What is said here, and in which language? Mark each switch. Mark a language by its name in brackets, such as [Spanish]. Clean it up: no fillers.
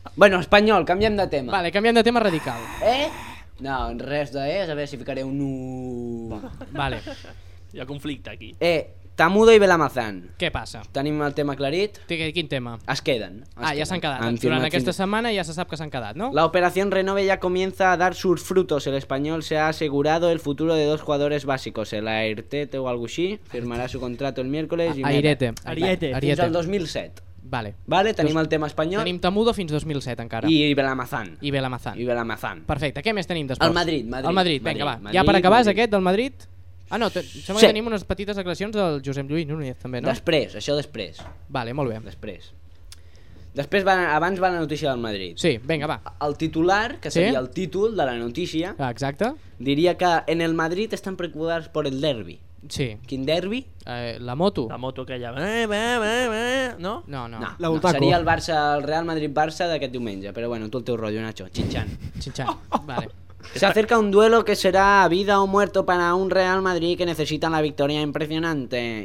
[Catalan] Bueno, Espanyol, canviem de tema. Vale, canviem de tema radical. No, res de és, a veure si ficaré un... Vale. Hi ha conflicte aquí. Tamudo i Belamazán. Què passa? Tenim el tema aclarit. Quin tema? Es queden. Ja s'han quedat. Durant aquesta setmana ja se sap que s'han quedat, no? [Spanish] La operación Renove ya comienza a dar sus frutos. El español se ha asegurado el futuro de dos jugadores básicos. El Airete o algo así firmará su contrato el miércoles. [Catalan] Airete. Ariete. Fins al 2007. Vale. Vale, tenim el tema espanyol. Tenim Tamudo fins 2007 encara. I Belamazán. Perfecte, què més tenim d'esport? El Madrid. Vinga, va. Madrid, ja per acabar Madrid. És aquest del Madrid? Ah, no, sembla que tenim unes petites declaracions del Josep Lluís Núñez també, no? Després. Vale, molt bé. Després abans va la notícia del Madrid. Sí, vinga, va. El titular, que seria el títol de la notícia. Exacte. Diria que en el Madrid estan preocupats per el derbi. Sí. Quin derbi? La moto aquella. Bé. No? No. Seria el Barça, el Real Madrid-Barça d'aquest diumenge. Però bueno, tu el teu rotllo, Nacho. Chinchan. Vale. [Spanish] Se acerca un duelo que será vida o muerto para un Real Madrid que necesita la victoria impresionante.